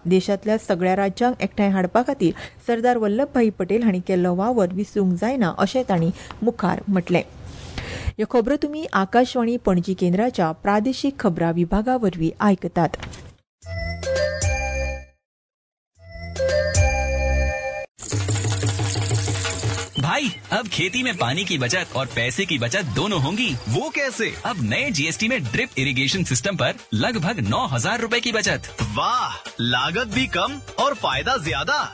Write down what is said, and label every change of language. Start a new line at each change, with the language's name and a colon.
Goan Konkani: देशातल्या सगळ्या राज्यांक एकठांय हाडपा खातीर सरदार वल्लभभाई पटेल हांणी केल्लो वावर विसरूंक जायना अशें तांणी मुखार म्हटलें. ह्यो खबरो तुम्ही आकाशवाणी पणजी केंद्राच्या प्रादेशिक खबरां विभागावरवी आयकतात.
Hindi: भाई, अब खेती में पानी की बचत और पैसे की बचत दोनों होंगी. वो कैसे? अब नए जीएसटी में ड्रिप इरिगेशन सिस्टम पर लगभग 9000 रुपए की बचत. वाह, लागत भी कम और फायदा ज्यादा.